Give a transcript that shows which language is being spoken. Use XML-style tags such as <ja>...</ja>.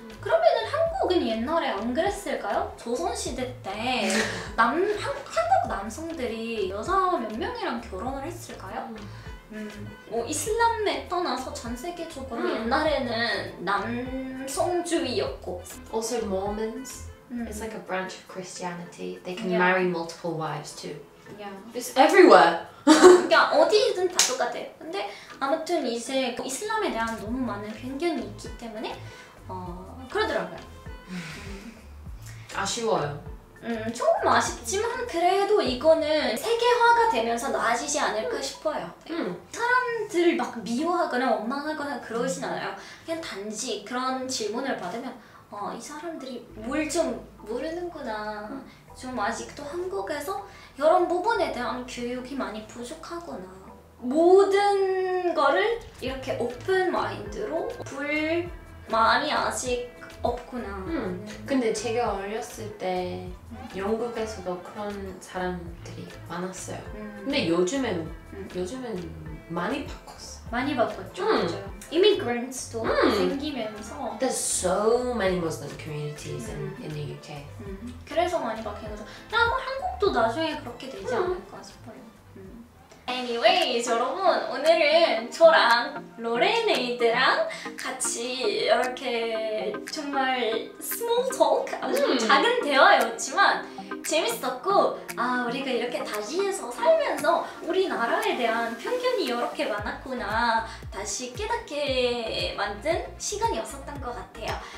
<ko>그러면은 한국은 옛날에 안 그랬을까요? 조선시대 때 한국 남성들이 여자 몇 명이랑 결혼을 했을까요? 뭐 이슬람에 떠나서 전 세계적으로 옛날에는 남성주의였고.</ko> <en>Also Mormons, it's like a branch of Christianity. They can marry multiple wives too. Yeah. It's everywhere.</en> <ko>그냥 어디든 다 똑같아. 근데 아무튼 이제 그 이슬람에 대한 너무 많은 편견이 있기 때문에 그러더라고요. 아쉬워요. 조금 아쉽지만 그래도 이거는 세계화가 되면서 나아지지 않을까 싶어요. 사람들을 막 미워하거나 원망하거나 그러진 않아요. 그냥 단지 그런 질문을 받으면 이 사람들이 뭘 좀 모르는구나. 좀 아직도 한국에서 이런 부분에 대한 교육이 많이 부족하구나. 모든 거를 이렇게 오픈 마인드로 볼 마음이 아직 없구나. 근데 제가 어렸을 때 영국에서도 그런 사람들이 많았어요. 근데 요즘엔 많이 바꿨어. 많이 바꿨죠. 이미그랜트도 생기면서.</ko> <en>There's so many Muslim communities in the UK.</en> <ko>그래서 많이 바뀌면서. 아마 한국도 나중에 그렇게 되지 않을까 싶어요. Anyways, 여러분, 오늘은 저랑 로레네이드랑 같이 이렇게 정말 small talk, 아주 작은 대화였지만 재밌었고, 우리가 이렇게 다시해서 살면서 우리나라에 대한 편견이 이렇게 많았구나 다시 깨닫게 만든 시간이었었던 것 같아요.</ko>